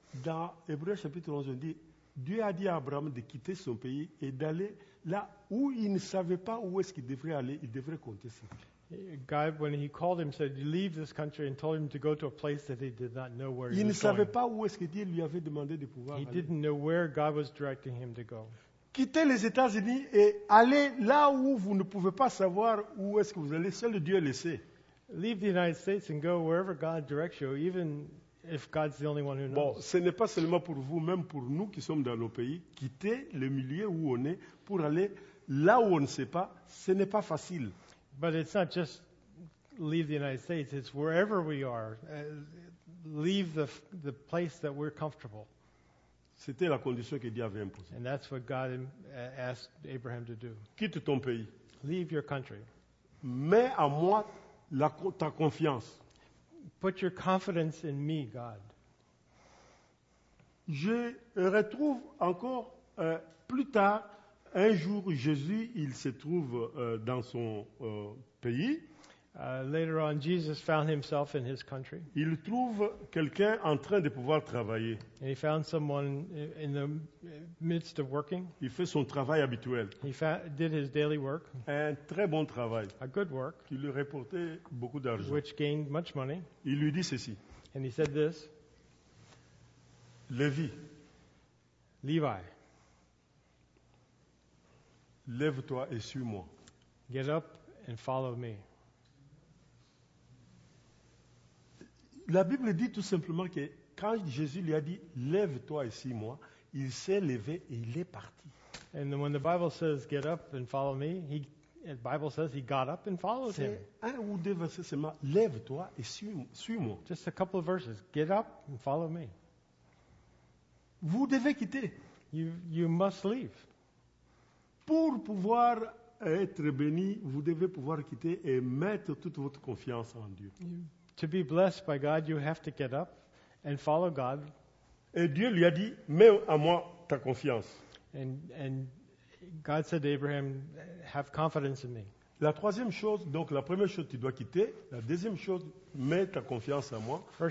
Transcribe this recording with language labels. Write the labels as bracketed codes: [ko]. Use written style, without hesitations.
[fr] Dans Hébreux chapitre 11, on dit, Dieu a dit à Abraham de quitter son pays et d'aller là où il ne savait pas où est-ce qu'il devrait aller, il devrait compter ça. [en] God, when he called him, said, leave this country and told him to go to a place that he did not know where [fr] il [en] he was going. [fr] Pas où est-ce que Dieu lui avait demandé de pouvoir [en] he [fr] aller. [en] Didn't know where God was directing him to go. [fr] Quitter les États-Unis et aller là où vous ne pouvez pas savoir où est-ce que vous allez, seul Dieu le sait. [en] Leave the United States and go wherever God directs you, even if God's the only one who knows. [fr] Bon, ce n'est pas seulement pour vous, même pour nous qui sommes dans nos pays, quitter le milieu où on est pour aller là où on ne sait pas, ce n'est pas facile. [en] But it's not just leave the United States, it's wherever we are, leave the place that we're comfortable. [fr] C'était la condition que Dieu avait imposée. [en] And that's what God asked Abraham to do. [fr] Quitte ton pays. [en] Leave your country. [fr] Mets à moi ta confiance. [en] Put your confidence in me, God. [fr] Je retrouve encore plus tard. Un jour, Jésus, il se trouve dans son pays. [en] Later on, Jesus found himself in his country. [fr] Il trouve quelqu'un en train de pouvoir travailler. [en] And he found someone in the midst of working. [fr] Il fait son travail habituel. [en] He did his daily work. [fr] Un très bon travail. [en] A good work. [fr] Qui lui rapportait beaucoup d'argent. [en] Which gained much money. [fr] Il lui dit ceci. [en] And he said this. [fr] Lévi. [en] Levi. [fr] Lève-toi et suis-moi. [en] Get up and follow me. [fr] La Bible dit tout simplement que quand Jésus lui a dit lève-toi et suis-moi, il s'est levé et il est parti. [en] And when the Bible says get up and follow me, the Bible says he got up and followed [fr] c'est [en] him. [fr] Un ou deux versets seulement. Lève-toi et suis-moi. [en] Just a couple of verses. Get up and follow me. [fr] Vous devez quitter. [en] You must leave. [fr] Pour pouvoir être béni, vous devez pouvoir quitter et mettre toute votre confiance en Dieu. [en] To be blessed by God, you have to get up and follow God. [fr] Et Dieu lui a dit, mets à moi ta confiance. [en] And God said to Abraham, have confidence in me. [fr] La troisième chose, donc la première chose, tu dois quitter. La deuxième chose, mets ta confiance en moi.